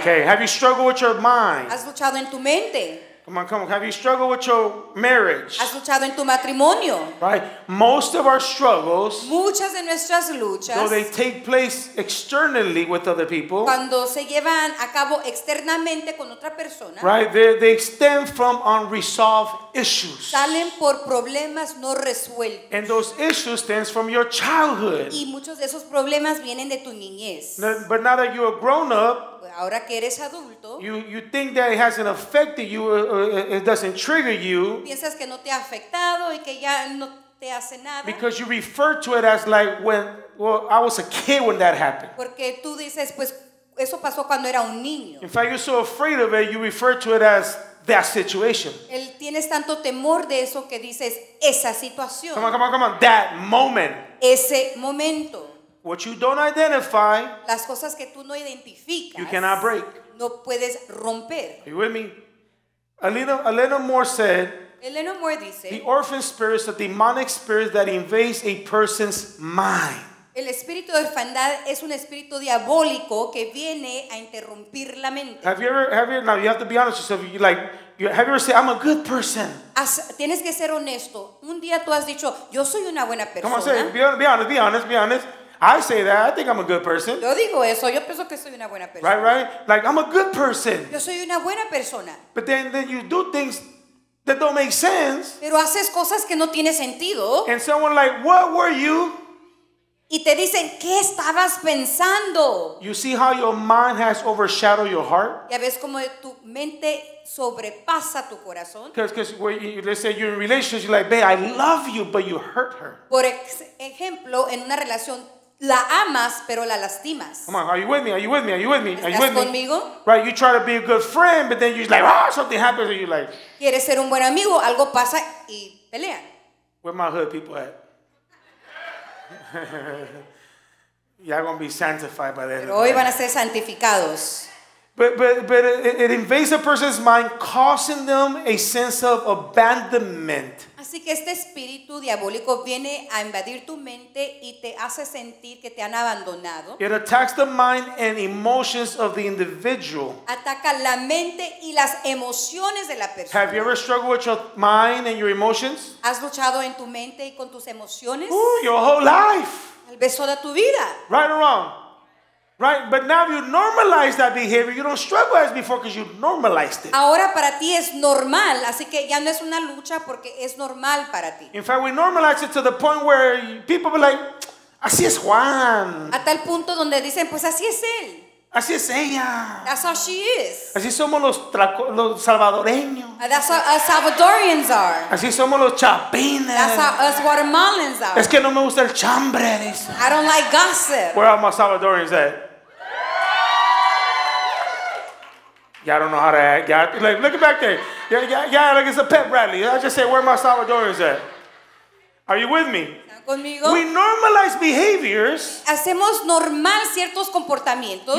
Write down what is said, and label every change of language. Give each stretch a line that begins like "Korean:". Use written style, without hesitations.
English: Okay, have you struggled with your mind?
Spanish: ¿Has luchado en tu mente?
English: Come on, come on. Have you struggled with your marriage?
Spanish: ¿Has luchado en tu matrimonio?
English: Right? Most of our struggles,
Spanish: muchas de nuestras luchas,
English: though they take place externally with other people,
Spanish: cuando se llevan a cabo externamente con otra persona,
English: right? They extend from unresolved issues.
Spanish: Salen por problemas no resueltos.
English: And those issues stem from your childhood.
Spanish: Y muchos de esos problemas vienen de tu niñez.
English: But now that you're a grown up,
Spanish: ahora que eres adulto,
English: you think that it hasn't affected you, it doesn't trigger you.
Spanish: Piensas que no te ha afectado y que ya no te hace nada.
English: Because you refer to it as like when, well, I was a kid when that happened.
Spanish: Porque tú dices, pues eso pasó cuando era un niño.
English: In fact, you're so afraid of it, you refer to it as that situation.
Spanish: Él tienes tanto temor de eso que dices esa situación.
English: Come on, come on, come on. That moment.
Spanish: Ese momento.
English: What you don't identify,
Spanish: las cosas que tú no identificas,
English: you cannot break.
Spanish: No puedes romper.
English: Are you with me? Elena Moore said,
Spanish: Elena Moore dice,
English: the orphan spirit is a demonic spirit that invades a person's mind.
Spanish: El espíritu de orfandad es un espíritu diabólico que viene a interrumpir la mente.
English: Now you have to be honest with yourself. Like, have you ever said, I'm a good person?
Spanish: Tienes que ser honesto. Un día tú has dicho, yo soy una buena persona.
English: Come on, say, be honest. I say that. I think I'm a good person.
Spanish: Yo digo eso. Yo pienso que soy una buena persona.
English: Right? Like, I'm a good person.
Spanish: Yo soy una buena persona.
English: But then you do things that don't make sense.
Spanish: Pero haces cosas que no tiene sentido.
English: And someone like, what were you?
Spanish: Y te dicen, ¿qué estabas pensando?
English: You see how your mind has overshadowed your heart?
Spanish: Ya ves como tu mente sobrepasa tu corazón.
English: Because let's say you're in relationships, you're like, babe, I love you, but you hurt her.
Spanish: Por ejemplo, en una relación, la amas, pero la lastimas.
English: Come on, are you with me? Are you with me? Are you with me? Are you with
Spanish: conmigo?
English: Me? Right, you try to be a good friend, but then you're like, ah, something happens, and you're like.
Spanish: Quieres ser un buen amigo, algo pasa y pelean.
English: Where my hood people at? Y'all gonna be sanctified by that.
Spanish: Pero hoy van a ser santificados.
English: But it invades a person's mind, causing them a sense of abandonment.
Spanish: Así que este espíritu diabólico viene a invadir tu mente y te hace sentir que te han abandonado.
English: It attacks the mind and emotions of the individual.
Spanish: Ataca la mente y las emociones de la persona.
English: Have you ever struggled with your mind and your emotions?
Spanish: ¿Has luchado en tu mente y con tus emociones?
English: Ooh, your whole life.
Spanish: Tal vez toda tu vida.
English: Right or wrong? Right, but now you normalize that behavior. You don't struggle as before because you normalized it.
Spanish: Ahora para ti es normal, así que ya no es una lucha porque es normal para ti.
English: In fact, we normalize it to the point where people be like,
Spanish: "Así es Juan." A tal punto donde dicen, "Pues así es él." Así es ella.
English: That's how she is.
Spanish: Así somos los salvadoreños.
English: That's how Salvadorians are.
Spanish: Así somos los chapines.
English: That's how us Guatemalans are.
Spanish: Es que no me gusta el chambre, dice.
English: I don't like gossip. Where are my Salvadorians at? Y'all don't know how to act. Y'all, like, look back there. Y'all like it's a pep rally. I just say, where are my Salvadorians at? Are you with me?
Spanish: Conmigo.
English: We normalize behaviors.
Spanish: Hacemos normal ciertos comportamientos.